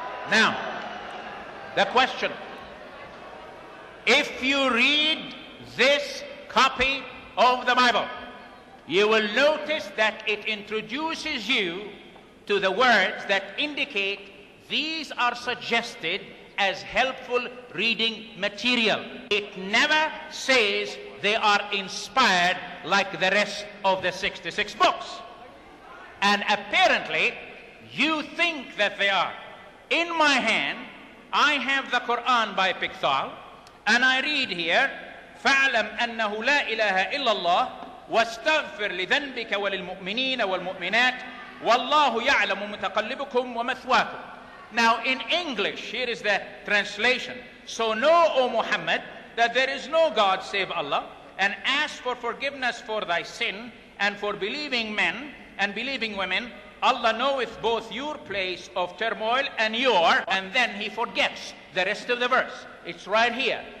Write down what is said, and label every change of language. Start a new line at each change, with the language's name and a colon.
English: Now, the question. If you read this copy of the Bible, you will notice that it introduces you to the words that indicate these are suggested as helpful reading material. It never says they are inspired like the rest of the 66 books. And apparently, you think that they are. In my hand, I have the Quran by Pikthal. And I read here,
Arabic: فَعْلَمْ أَنَّهُ لَا إِلَهَ إِلَّا اللَّهِ وَاسْتَغْفِرْ لِذَنْبِكَ وَلِلْمُؤْمِنِينَ وَالْمُؤْمِنَاتِ وَاللَّهُ يَعْلَمُ مُتَقَلِّبُكُمْ وَمَثْوَاكُمْ.
English: Now in English, here is the translation. So know, O Muhammad, that there is no God save Allah, and ask for forgiveness for thy sin, and for believing men and believing women. Allah knoweth both your place of turmoil and your, and then he forgets the rest of the verse. It's right here.